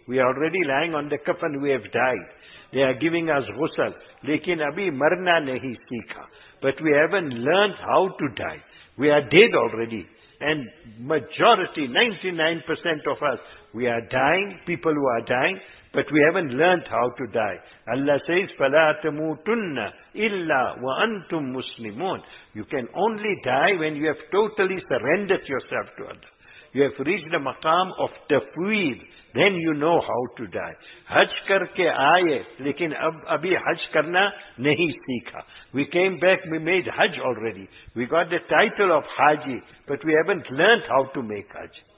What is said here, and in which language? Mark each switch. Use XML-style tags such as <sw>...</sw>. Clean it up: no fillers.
<en>We are already lying on the kafan, we have died. They are giving us ghusl.</en> <hi>Lekin abhi marna nahi sikha.</hi> <en>But we haven't learned how to die. We are dead already. And majority, 99% of us, we are dying, people who are dying, but we haven't learned how to die. Allah says,</en> <ar>فَلَا تَمُوتُنَّ إِلَّا وَأَنْتُمْ مُسْلِمُونَ.</ar> <en>You can only die when you have totally surrendered yourself to Allah. You have reached the maqam of tafweed. Then you know how to die.</en> <hi>Haj karke aaye, lekin abhi haj karna nahi seekha.</hi> <en>We came back, we made haj already. We got the title of haji, but we haven't learned how to make haj.</en>